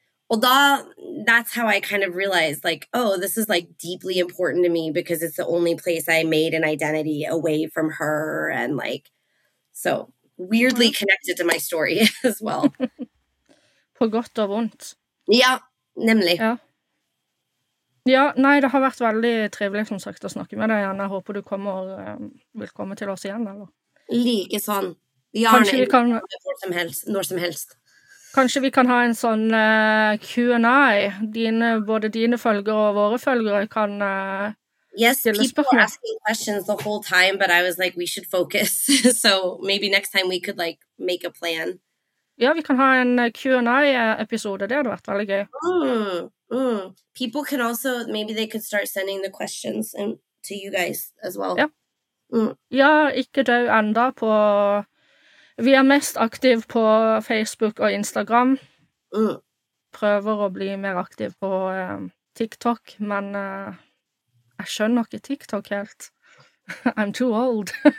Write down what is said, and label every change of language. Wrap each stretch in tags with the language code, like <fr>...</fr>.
<no>Og da,</no> <en>that's how I kind of realized, like, oh, this is, like, deeply important to me because it's the only place I made an identity away from her. And, like, so weirdly connected to my story as well.</en> <no>På godt og vondt. Ja, nemlig. Ja. Ja, nei, det har vært veldig trivelig, som sagt, å snakke med deg igjen. Jeg håper du kommer, vil komme til oss igjen, eller? Like sånn. Kanskje vi kan... Når som helst. Kanskje vi kan ha en sånn Q&A. Både dine følgere og våre følgere kan stille spørsmål.</no> <en>Yes, people were asking questions the whole time, but I was like, we should focus. So maybe next time we could, like, make a plan.</en> <no>Ja, vi kan ha en Q&A-episode. Det hadde vært veldig gøy.</no> <en>People can also, maybe they could start sending the questions to you guys as well.</en> <no>Ja, ja ikke dø enda på, vi mest aktive på Facebook og Instagram. Mm. Prøver å bli mer aktiv på TikTok, men jeg skjønner ikke TikTok helt.</no> <en>I'm too old.</en>